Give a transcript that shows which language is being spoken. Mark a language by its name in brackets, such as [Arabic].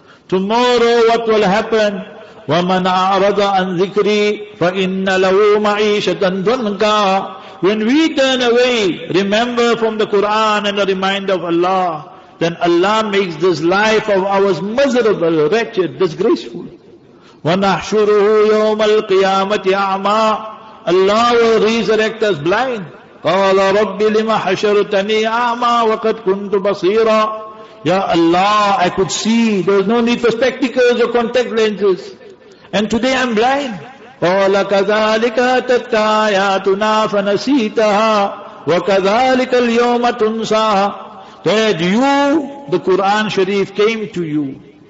[English] Tomorrow what will happen? [Arabic] وَمَنْ أَعْرَضَ عَنْ ذِكْرِي فَإِنَّ لَهُ مَعِيشَةً ضَنْكَا [English] When we turn away, remember from the Quran and a reminder of Allah, then Allah makes this life of ours miserable, wretched, disgraceful. [Arabic] وَنَحْشُرُهُ يَوْمَ الْقِيَامَةِ أَعْمَى [English] Allah will resurrect us blind. [Arabic] قَالَ رَبِّ لِمَ حَشَرْتَنِي أَعْمَى وَقَدْ كُنْتُ بَصِيرًا [English] Ya Allah, I could see. There is no need for spectacles or contact lenses. And today I'm blind. [Arabic] قَالَ كَذَلِكَ أَتَتْكَ آيَاتُنَا فَنَسِيْتَهَا وَكَذَلِكَ الْيَوْمَ تُنْسَاهَا [English] That you, the Quran Sharif, came to you.